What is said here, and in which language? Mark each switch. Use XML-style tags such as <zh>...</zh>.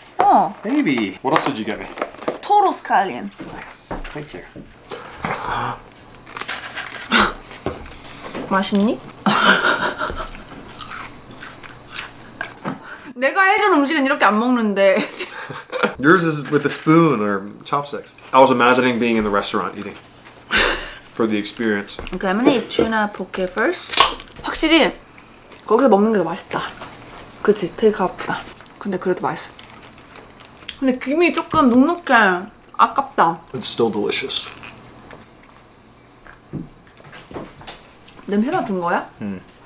<en>Oh. Baby. What else did you get me? Toro scallion. Nice. Thank you.</en> <ko>맛있니? 내가 해준 음식은 이렇게 안 먹는데.</ko> <en>Yours is with a spoon or chopsticks. I was imagining being in the restaurant eating. for the experience. Okay, I'm gonna eat tuna poke first.</en> <ko>확실히 거기서 먹는 게 더 맛있다. 그렇지, 되게 가볍다. 근데 그래도 맛있어. 근데 김이 조금 눅눅해. 아깝다.</ko> <en>It's still delicious.</en> <ko>냄새 맡은 거야? 응.</ko>